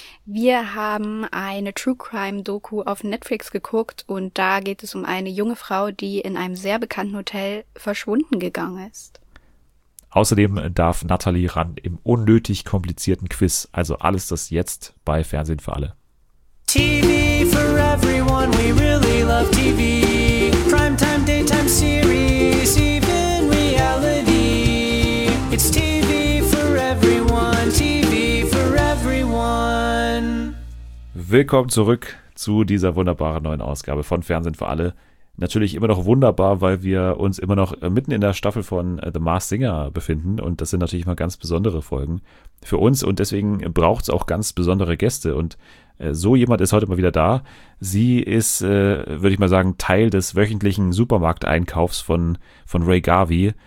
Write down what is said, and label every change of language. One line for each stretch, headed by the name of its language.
German: Wir haben eine True Crime Doku auf Netflix geguckt und da geht es um eine junge Frau, die in einem sehr bekannten Hotel verschwunden gegangen ist. Außerdem darf Natalie ran im unnötig komplizierten Quiz. Also alles das jetzt bei Fernsehen für alle.
English: TV for everyone, we really love TV. Primetime, daytime series, even reality. It's TV for everyone, TV for everyone.
German: Willkommen zurück zu dieser wunderbaren neuen Ausgabe von Fernsehen für alle. Natürlich immer noch wunderbar, weil wir uns immer noch mitten in der Staffel von The Masked Singer befinden. Und das sind natürlich immer ganz besondere Folgen für uns. Und deswegen braucht es auch ganz besondere Gäste. Und so jemand ist heute mal wieder da. Sie ist, würde ich mal sagen, Teil des wöchentlichen Supermarkteinkaufs von Ray Garvey.